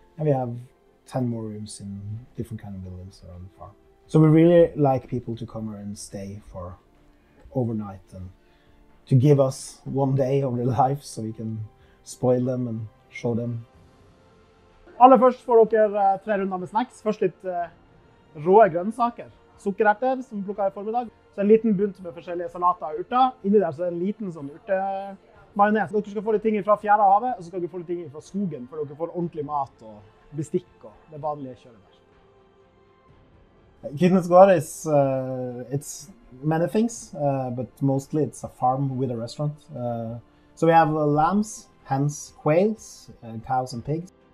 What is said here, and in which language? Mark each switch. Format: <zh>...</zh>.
<en>And we have 10 more rooms in different kind of buildings around the farm. So we really like people to come here and stay for overnight and to give us one day of their life so we can spoil them and show them.</en> <no>Aller først får dere 3 runder med snacks. Først litt råe grønnsaker. Sukkererter som vi plukket i formiddag. Så en liten bunt med forskjellige salater og urter. Inni der så en liten sånn urte. Majones. Dere skal få litt ting fra fjæra havet, og så skal dere få litt ting fra skogen, for dere får ordentlig mat og bestikk og det vanlige kjøret der.</no> <en>Kvitnes Gård is it's many things, but mostly it's a farm with a restaurant. So we have lambs, hens, quails, cows and pigs.</en>